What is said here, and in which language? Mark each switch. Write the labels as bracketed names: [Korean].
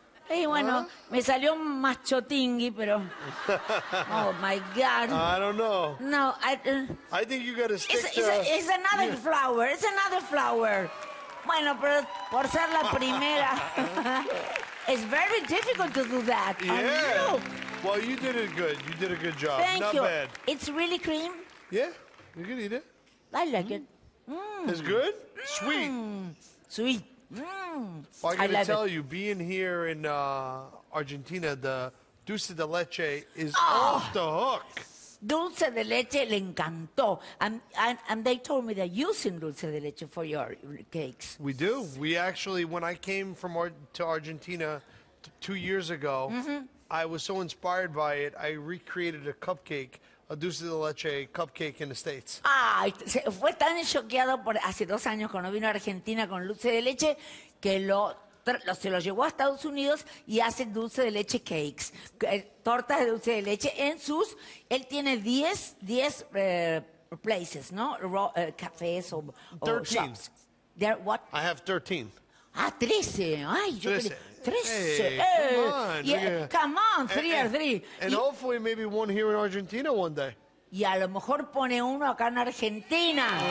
[Spanish] Y bueno, me salió un machotingui, pero... [English] Oh, my God. I don't know. No, I... I think you gotta stick it's another flower. It's another flower. [Spanish] Bueno, pero por ser la primera... [English] It's very difficult to do that. Yeah. Well, you did it good. You did a good job. Thank Not you. Bad. It's really cream? Yeah. You can eat it. I like it. It's good? Sweet. Sweet. Well, I gotta tell you, being here in Argentina, the dulce de leche is off the hook. [Spanish] Dulce de leche le encantó. [English] And they told me they're using dulce de leche for your cakes. We do. We actually, when I came from to Argentina 2 years ago, I was so inspired by it, I recreated a cupcake. A dulce de leche cupcake in the States. [Spanish] Ay, fue tan choqueado por hace 2 años cuando vino a Argentina con dulce de leche que se lo llevó a Estados Unidos y hace dulce de leche cakes, tortas de dulce de leche en sus... Él tiene 10 places, ¿no? Cafés o [English] 13. Shops. They're what? I have 13. [Spanish] Ah, 13. Ay, yo 13. Quería... [English] Hey, come on, three or three. And hopefully maybe one here in Argentina one day. [Spanish] Y a lo mejor pone uno acá en Argentina.